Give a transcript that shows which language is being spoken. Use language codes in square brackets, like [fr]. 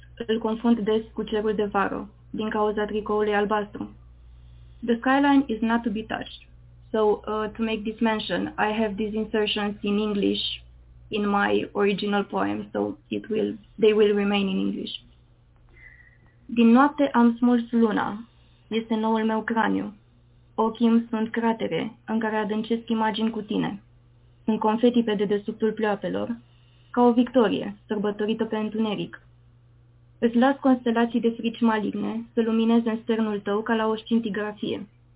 [ro] Îl confund des cu cerul de vară, din cauza tricoului albastru. [en] The skyline is not to be touched. So to make this mention, I have these insertions in English in my original poem, so they will remain in English. [ro] Din noapte am smuls luna, este noul meu craniu. Ochii-mi sunt cratere în care adâncesc imagini cu tine. Sunt confeti pe dedesubtul pleoapelor, ca o victorie sărbătorită pe întuneric. Îți las constelații de frici maligne să lumineze în sternul tău ca la o scintigrafie.